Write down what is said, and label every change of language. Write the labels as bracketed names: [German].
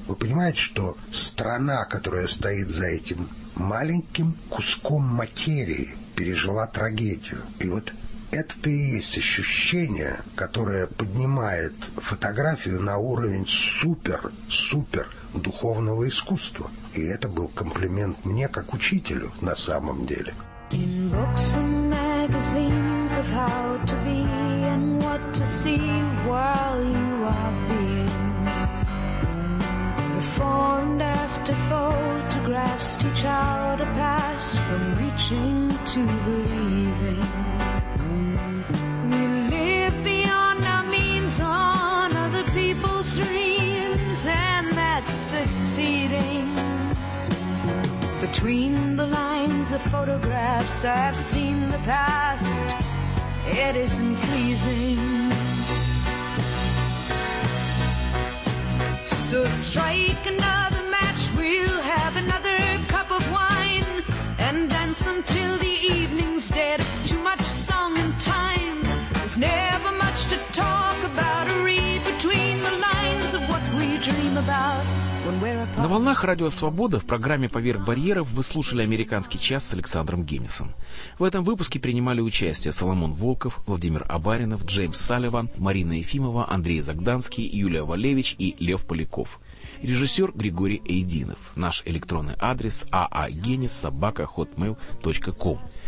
[Russian] Вы понимаете, что страна, которая стоит за этим маленьким куском материи, пережила трагедию. И вот это-то и есть ощущение, которое поднимает фотографию на уровень супер-супер духовного искусства. И это был комплимент мне как учителю на самом деле. [English] In books and magazines of how to be and what to see while you are being. Before and after photographs teach how to pass from reaching to believing. We live beyond our means on other people's dreams, and that's succeeding. Between the lines of photographs, I've seen the past. It isn't pleasing. So strike another. we'll have another cup of wine and dance until the evening's dead. Too much song and time. There's never much to talk about or read between the lines of what we dream about. [Russian] На волнах «Радио Свобода» в программе «Поверх барьеров» вы слушали «Американский час» с Александром Геннисом. В этом выпуске принимали участие Соломон Волков, Владимир Абаринов, Джеймс Салливан, Марина Ефимова, Андрей Загданский, Юлия Валевич и Лев Поляков. Режиссер Григорий Эйдинов. Наш электронный адрес aagenis@hotmail.com.